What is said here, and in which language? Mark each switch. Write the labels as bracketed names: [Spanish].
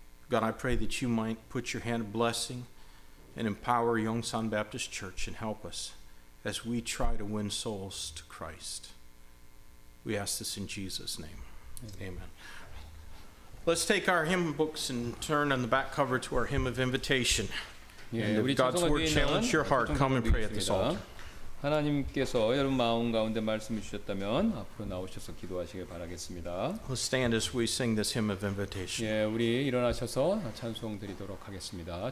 [English] God, I pray that you might put your hand of blessing and empower Yongsan Baptist Church and help us as we try to win souls to Christ. We ask this in Jesus' name. Amen. Amen. Let's take our hymn books and turn on the back cover to our hymn of invitation. And if God's word challenge your heart, come and pray at this altar. [Korean] 하나님께서 여러분 마음 가운데 말씀을 주셨다면 앞으로 나오셔서 기도하시길 바라겠습니다. [English] Let's stand as we sing this hymn of invitation. [Korean] 예, 우리 일어나셔서 찬송 드리도록 하겠습니다.